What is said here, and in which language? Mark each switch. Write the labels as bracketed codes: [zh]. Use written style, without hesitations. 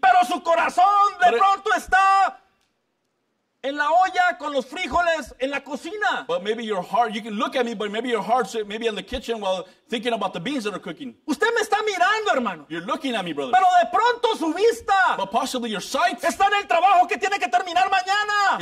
[es] Pero su corazón de pronto está en la olla con los frijoles en la cocina. [en] But maybe your heart, you can look at me, but maybe your heart's maybe in the kitchen while thinking about the beans that are cooking. [es] Usted me está mirando, hermano. [en] You're looking at me, brother. [es] Pero de pronto su vista. [en] But possibly your sight. [es] Está en el trabajo que tiene que terminar mañana.